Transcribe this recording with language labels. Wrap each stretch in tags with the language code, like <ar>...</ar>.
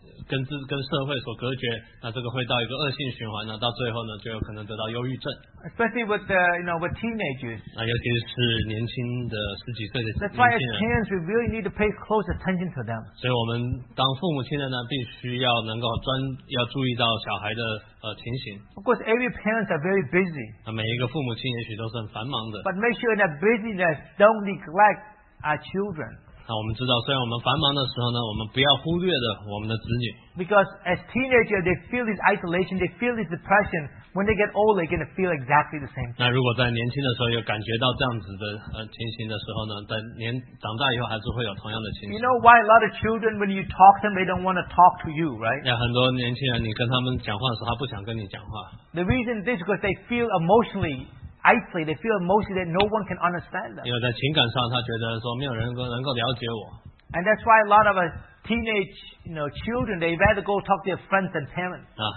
<zh>跟社会所隔绝, 那这个会到一个恶性循环, 那到最后呢, 就有可能得到忧郁症。</zh> <en>Especially with the, you know, with teenagers.</en> <zh>啊, 尤其是年轻的, 十几岁的,</zh> <en>That's why as parents, we really need to pay close attention to them.</en> <zh>所以我们当父母亲的呢, 必须要能够专, 要注意到小孩的, 情形。</zh> <en>Of course, every parents are very busy.</en> <zh>啊, 每一个父母亲也许都是很繁忙的。</zh> <en>But make sure that busyness don't neglect our children.</en> <zh>我们知道虽然我们繁忙的时候呢我们不要忽略的我们的子女</zh> <en>Because as teenagers they feel this isolation they feel this depression when they get old they're going to feel exactly the same thing</en> <zh>那如果在年轻的时候有感觉到这样子的 情形的时候呢 等年长大以后还是会有同样的情形</zh> <en>You know why a lot of children when you talk to them they don't want to talk to you right</en> <zh>很多年轻人你跟他们讲话的时候他不想跟你讲话</zh> <en>The reason is because they feel emotionally Isolated, they feel emotionally that no one can understand them.</en> <zh>因为在情感上，他觉得说没有人能够了解我。</zh> <en>And that's why a lot of us teenage, you know, children, they rather go talk to their friends than parents.</en>